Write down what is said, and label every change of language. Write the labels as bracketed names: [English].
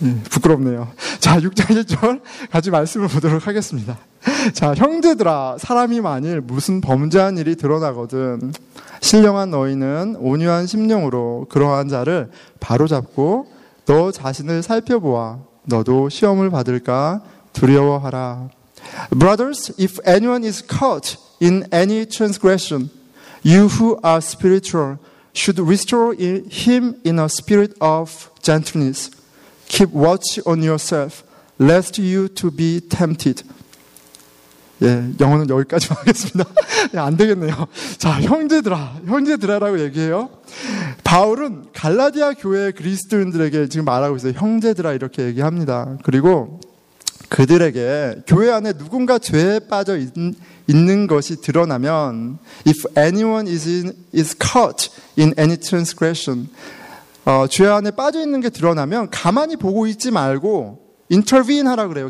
[Korean] 부끄럽네요. 자, 6장 1절 같이 말씀을 보도록 하겠습니다. 자, 형제들아, 사람이 만일 무슨 범죄한 일이 드러나거든 신령한 너희는 온유한 심령으로 그러한 자를 바로잡고 너 자신을 살펴보아 너도 시험을 받을까 두려워하라. [English] Brothers, if anyone is caught in any transgression, you who are spiritual should restore him in a spirit of gentleness. Keep watch on yourself, lest you to be tempted. [Korean] 예, 영어는 여기까지만 하겠습니다. 예, 안 되겠네요. 자, 형제들아, 형제들아라고 얘기해요. 바울은 갈라디아 교회의 그리스도인들에게 지금 말하고 있어요. 형제들아, 이렇게 얘기합니다. 그리고 그들에게 교회 안에 누군가 죄에 빠져 있는 것이 드러나면 [English] if anyone is caught in any transgression [Korean] 죄 안에 빠져 있는 게 드러나면 가만히 보고 있지 말고 intervene 하라 그래요.